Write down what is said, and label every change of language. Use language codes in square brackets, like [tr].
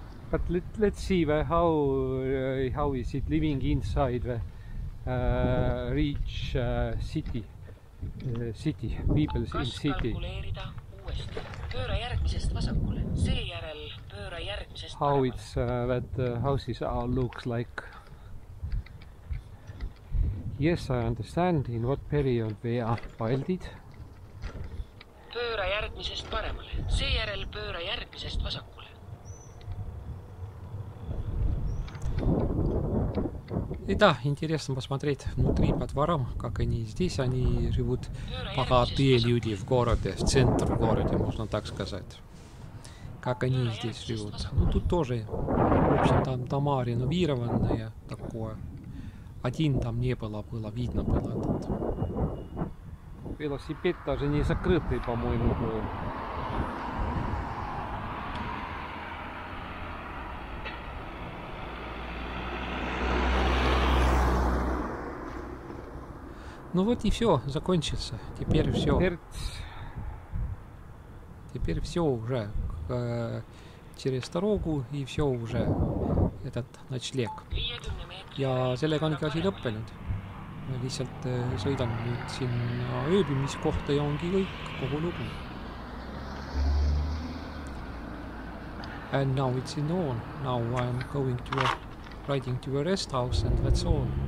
[en] But let's see how is it living inside the rich city people [et] kas [en] in city. [et] Pööra järgmisest vasakule. Seejärel pööra järgmisest [en] how it's that houses are looks like. Yes, I understand in what period they are wilded. [et] Pööra järgmisest paremale. Seejärel pööra järgmisest vasakule. [ru] И да, интересно посмотреть внутри по дворам, как они здесь, они живут богатые люди в городе, в центр города, можно так сказать. Как они здесь живут. Ну тут тоже, в общем, там дома реновированные такое. Один там не было, было видно было этот. Велосипед даже не закрытый, по-моему, был. Ну вот и все, закончится. Теперь все. Теперь все уже. Через дорогу и все уже. Этот ночлег. [et] Ja sellega ongi asi lõppenud. Ma lihtsalt sõidan nüüd sinna ööbimiskohta ja ongi kõik kogu lugu. [en] And now it's in all. Now I'm going to riding to a rest house and that's all.